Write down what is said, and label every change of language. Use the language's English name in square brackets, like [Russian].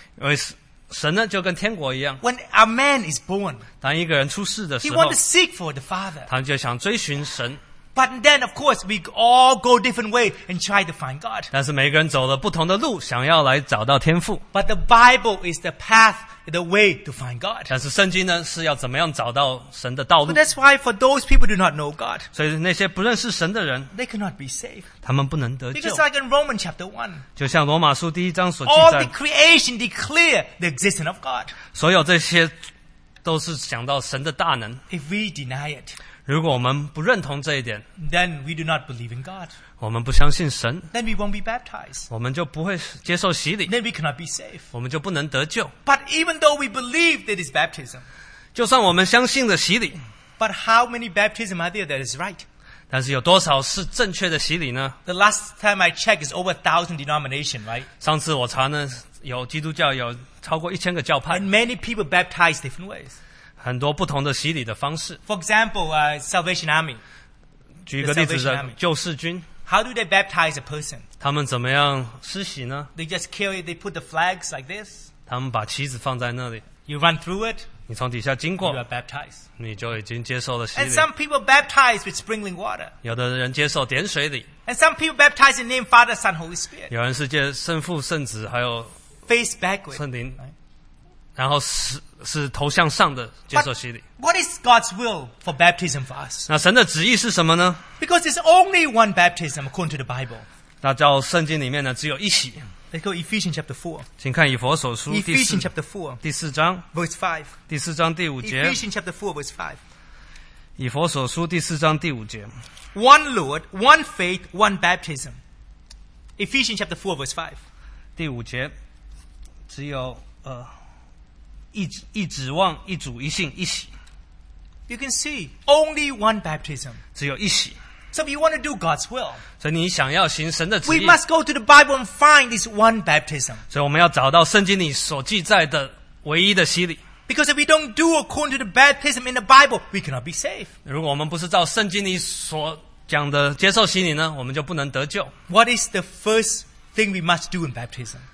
[Chinese] 因为神呢就跟天国一样。 [English] When a man is born, [Chinese] 当一个人出世的时候， [English] He wants to seek for the father. [Chinese] 他就想追寻神。 [English] But then, of course, we all go different way and try to find God. [Chinese] 但是每个人走了不同的路, 想要来找到天父。 [English] But the Bible is the path, the way to find God. [Chinese] 但是圣经呢, 是要怎么样找到神的道路。 [English] So that's why for those people who do not know God, [Chinese] 所以那些不认识神的人, [English] they cannot be saved. [Chinese] 他们不能得救。 [English] Because like in Romans chapter 1, [Chinese] 就像罗马书第一章所记载, [English] all the creation declare the existence of God. [Chinese] 所有这些都是讲到神的大能。 [English] If we deny it, [Chinese] 如果我们不认同这一点, [English] then we do not believe in God. [Chinese] 我们不相信神, [English] then we won't be baptized. [Chinese] 我们就不会接受洗礼, [English] then we cannot be saved. [Chinese] 我们就不能得救。 [English] But even though we believe that is baptism, [Chinese] 就算我们相信了洗礼, [English] but how many baptisms are there that is right? [Chinese] 但是有多少是正确的洗礼呢? [English] The last time I checked is over 1,000 denominations, right? [Chinese] 上次我查呢, 有基督教有超过1,000个教派。 [English] And many people baptize different ways. [Chinese] 很多不同的洗礼的方式。 [English] For example, Salvation Army. [Chinese] 举一个例子，救世军。 [English] How do they baptize a person? [Chinese] 他们怎么样施洗呢? [English] They just carry, they put the flags like this. [Chinese] 他们把旗子放在那里。 [English] You run through it. [Chinese] 你从底下经过, [English] you are baptized. [Chinese] 你就已经接受了洗礼。 [English] And some people baptize with sprinkling water. [Chinese] 有的人接受点水礼。 [English] And some people baptize in the name Father, Son, Holy Spirit. [Chinese] 有人是接圣父圣子, 还有 [English] face backwards. [Chinese] 圣灵。然后是头向上的接受洗礼。 [English] But what is God's will for baptism for us? [Chinese] 那神的旨意是什么呢? [English] Because there's only one baptism according to the Bible. [Chinese] 那叫圣经里面呢, 只有一洗。 [English] Let's go Ephesians chapter 4. [Chinese] 请看以弗所书, [English] Ephesians chapter 4. [Chinese] 第四章, [English] verse 5. [Chinese] 第四章第五节, [English] Ephesians chapter 4, verse 5. [Chinese] 以弗所书第四章第五节, [English] One Lord, one faith, one baptism. Ephesians chapter 4, verse 5. [Chinese] 第五节, 只有, 一指望一主一信一洗。 [English] You can see only one baptism. [Chinese] 只有一洗。 [English] So if you want to do God's will, [Chinese] 所以你想要行神的旨意, [English] we must go to the Bible and find this one baptism. [Chinese] 所以我们要找到圣经里所记载的唯一的洗礼。 [English] Because if we don't do according to the baptism in the Bible, we cannot be saved. [Chinese] 如果我们不是照圣经里所讲的接受洗礼呢, 我们就不能得救。 [English] What is the first thing we must do in baptism?